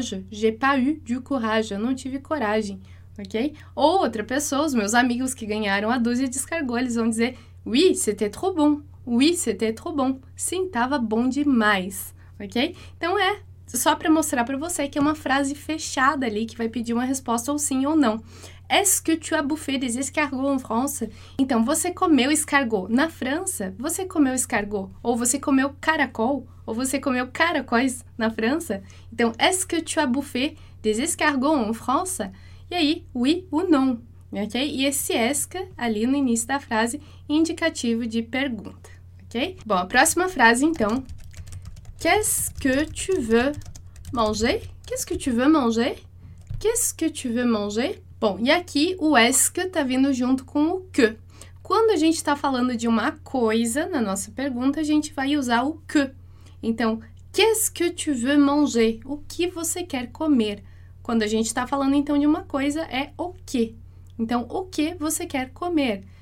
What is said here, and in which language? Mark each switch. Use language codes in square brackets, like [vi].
[fr] J'ai pas eu du courage. [pt] Eu não tive coragem, ok? Ou outra pessoa, os meus amigos que ganharam a dúzia de escargots, eles vão dizer [fr] oui, c'était trop bon. Oui, c'était trop bon. [pt] Sim, tava bom demais, ok? Então é só para mostrar para você que é uma frase fechada ali que vai pedir uma resposta ou sim ou não. [fr] Est-ce que tu as bouffé des escargots en France? [pt] Então, você comeu escargot na França? Você comeu escargot? Ou você comeu caracol? Ou você comeu caracóis na França? [fr] Então, est-ce que tu as bouffé des escargots en France? [pt] E aí, [fr] oui ou non? [pt] Ok? E esse est-ce ali no início da frase, indicativo de pergunta. Ok? Bom, a próxima frase, então. [fr] Qu'est-ce que tu veux manger? Qu'est-ce que tu veux manger? Qu'est-ce que tu veux manger? [pt] Bom, e aqui o est-ce está vindo junto com o que. Quando a gente está falando de uma coisa na nossa pergunta, a gente vai usar o que. [fr] Então, qu'est-ce que tu veux manger? [pt] O que você quer comer? Quando a gente está falando, então, de uma coisa, é o que. Então, o que você quer comer?